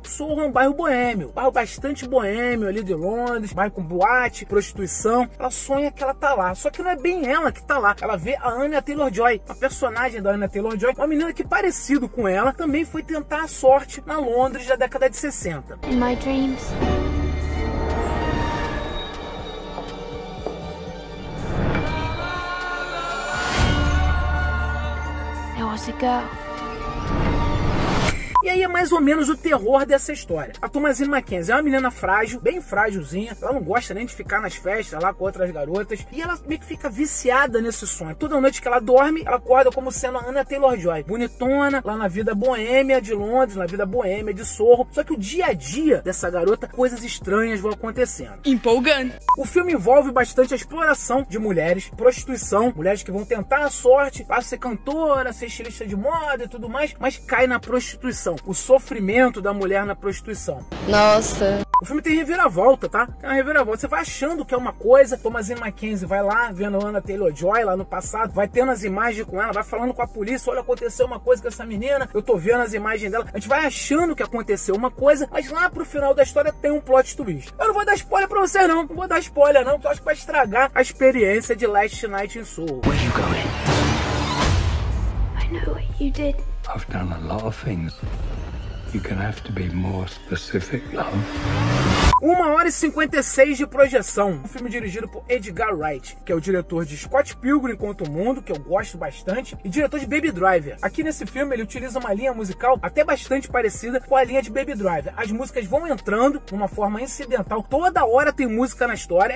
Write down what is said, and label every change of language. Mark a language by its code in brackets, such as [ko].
[pt] Soho é um bairro boêmio. Bairro bastante boêmio ali de Londres. Bairro com boate, prostituição. Ela sonha que ela tá lá. Só que não é bem ela que tá lá. Ela vê a Anya Taylor-Joy, a personagem da Anya Taylor-Joy, uma menina que parecido com ela, também foi tentar a sorte na Londres da década de 60. [en] In my dreams, there was a girl. [pt] E aí é mais ou menos o terror dessa história. A Thomasine McKenzie é uma menina frágil, bem frágilzinha. Ela não gosta nem de ficar nas festas lá com outras garotas. E ela meio que fica viciada nesse sonho. Toda noite que ela dorme, ela acorda como sendo a Anya Taylor-Joy. Bonitona, lá na vida boêmia de Londres, na vida boêmia de Soho. Só que o dia a dia dessa garota, coisas estranhas vão acontecendo. Empolgante. O filme envolve bastante a exploração de mulheres, prostituição. Mulheres que vão tentar a sorte para ser cantora, ser estilista de moda e tudo mais. Mas cai na prostituição. O sofrimento da mulher na prostituição. Nossa. O filme tem reviravolta, tá? Tem uma reviravolta. Você vai achando que é uma coisa. Thomasine McKenzie vai lá, vendo a Anya Taylor-Joy lá no passado. Vai tendo as imagens com ela. Vai falando com a polícia. Olha, aconteceu uma coisa com essa menina. Eu tô vendo as imagens dela. A gente vai achando que aconteceu uma coisa. Mas lá pro final da história tem um plot twist. Eu não vou dar spoiler pra você, não. Não vou dar spoiler, não. Porque eu acho que vai estragar a experiência de Last Night in Soho. Onde você vai? Eu sei o que você fez. [en] I've done a lot of things. You're gonna have to be more specific, love. [pt] 1h56 de projeção. Um filme dirigido por Edgar Wright, que é o diretor de Scott Pilgrim Contra o Mundo, que eu gosto bastante, e diretor de Baby Driver. Aqui nesse filme ele utiliza uma linha musical até bastante parecida com a linha de Baby Driver. As músicas vão entrando de uma forma incidental. Toda hora tem música na história.